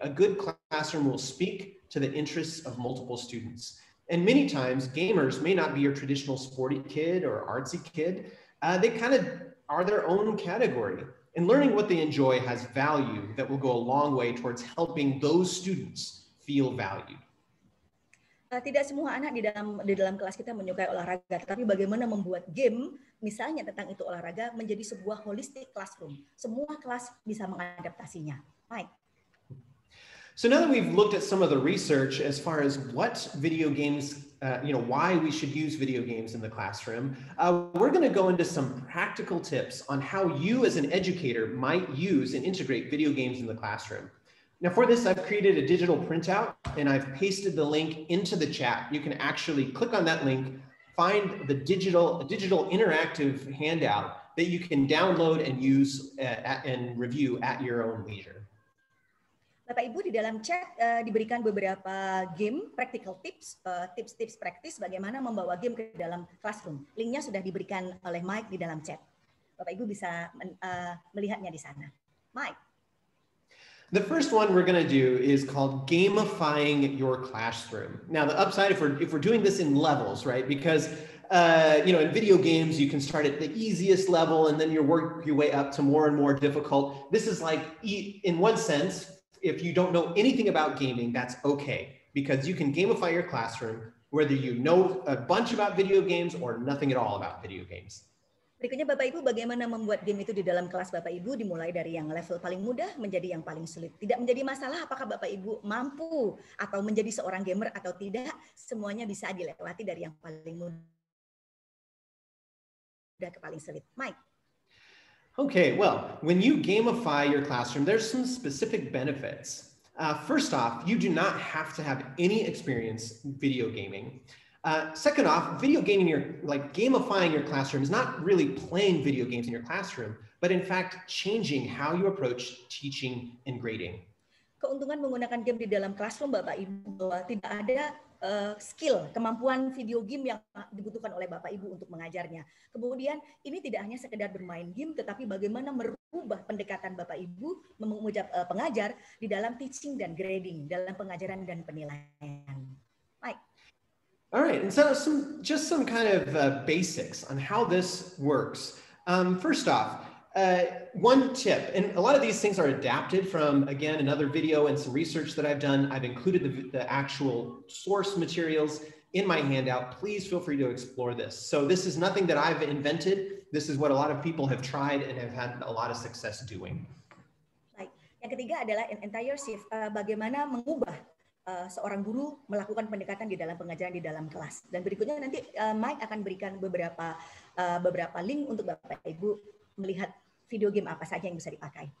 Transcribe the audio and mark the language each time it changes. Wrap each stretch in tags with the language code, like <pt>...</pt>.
<en>A good classroom will speak to the interests of multiple students. And many times gamers may not be your traditional sporty kid or artsy kid. They kind of are their own category. And learning what they enjoy has value that will go a long way towards helping those students feel valued.</en> <id>Tidak semua anak di dalam kelas kita menyukai olahraga, tapi bagaimana membuat game, misalnya tentang itu olahraga, menjadi sebuah holistic classroom. Semua kelas bisa mengadaptasinya. Mike.</id> <en>So now that we've looked at some of the research as far as what video games, why we should use video games in the classroom, we're going to go into some practical tips on how you as an educator might use and integrate video games in the classroom. Now for this, I've created a digital printout and I've pasted the link into the chat. You can actually click on that link, find the digital interactive handout that you can download and use and review at your own leisure.</en> <id>Bapak Ibu, di dalam chat diberikan beberapa game</id> <en>practical tips,</en> <id>tips-tips praktis bagaimana membawa game ke dalam classroom. Linknya sudah diberikan oleh Mike di dalam chat. Bapak Ibu bisa melihatnya di sana. Mike.</id> <en>The first one we're going to do is called gamifying your classroom. Now, the upside if we're doing this in levels, right? Because in video games, you can start at the easiest level and then you work your way up to more and more difficult. This is like, in one sense, if you don't know anything about gaming, that's okay, because you can gamify your classroom, whether you know a bunch about video games or nothing at all about video games.</en> <id>Berikutnya, Bapak Ibu, bagaimana membuat game itu di dalam kelas Bapak Ibu, dimulai dari yang level paling mudah menjadi yang paling sulit. Tidak menjadi masalah apakah Bapak Ibu mampu atau menjadi seorang gamer atau tidak, semuanya bisa dilewati dari yang paling mudah ke paling sulit. Mike.</id> <en>Okay, well, when you gamify your classroom, there's some specific benefits. First off, you do not have to have any experience video gaming. Second off, video gaming, gamifying your classroom is not really playing video games in your classroom, but in fact, changing how you approach teaching and grading.</en> <id>Keuntungan menggunakan game di dalam classroom, Bapak Ibu, tidak ada skill, kemampuan video game yang dibutuhkan oleh Bapak Ibu untuk mengajarnya. Kemudian, ini tidak hanya sekedar bermain game, tetapi bagaimana merubah pendekatan Bapak Ibu mengucap pengajar di dalam teaching dan grading, dalam pengajaran dan penilaian. Mike.</id> <en>All right, and so some kind of basics on how this works. First off, one tip, and a lot of these things are adapted from, again, another video and some research that I've done. I've included the actual source materials in my handout. Please feel free to explore this. So this is nothing that I've invented. This is what a lot of people have tried and have had a lot of success doing. Right.</en> <id>Yang ketiga adalah</id> <en>an entire shift,</en> <id>bagaimana mengubah seorang guru melakukan pendekatan di dalam pengajaran di dalam kelas. Dan berikutnya nanti Mike akan berikan beberapa link untuk Bapak Ibu melihat video game apa saja yang bisa dipakai.</id>